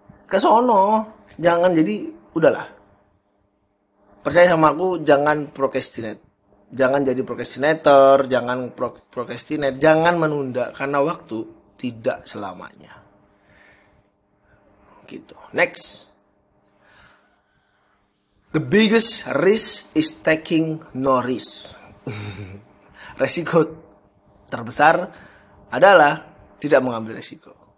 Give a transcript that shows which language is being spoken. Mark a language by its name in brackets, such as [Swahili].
[Indonesian] Kesono, jangan, jadi udahlah. Percaya sama aku, jangan procrastinate. Jangan jadi procrastinator, jangan procrastinate, jangan menunda, karena waktu tidak selamanya. Gitu. Next. [English] The biggest risk is taking no risk. [Indonesian] Resiko terbesar adalah tidak mengambil resiko.